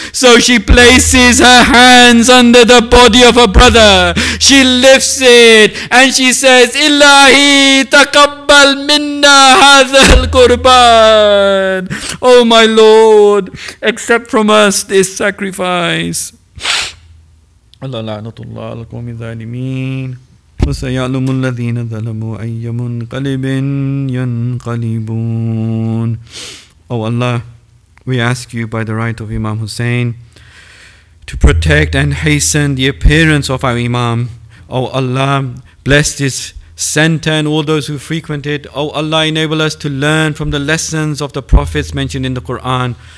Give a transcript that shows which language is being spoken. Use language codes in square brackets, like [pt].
[en] So she places her hands under the body of her brother. She lifts it and she says, [ar] Ilahi taqabbal minna hadha al-qurban. [en] Oh my Lord, accept from us this sacrifice. [ar] Allah la'natullah al-qawm al-zalimeen. وسيعلم الذين ظلموا أي منقلب ينقلبون. [en] O Allah, we ask you by the right of Imam Hussein to protect and hasten the appearance of our Imam. O Allah, bless this center and all those who frequent it. O Allah, enable us to learn from the lessons of the prophets mentioned in the Quran.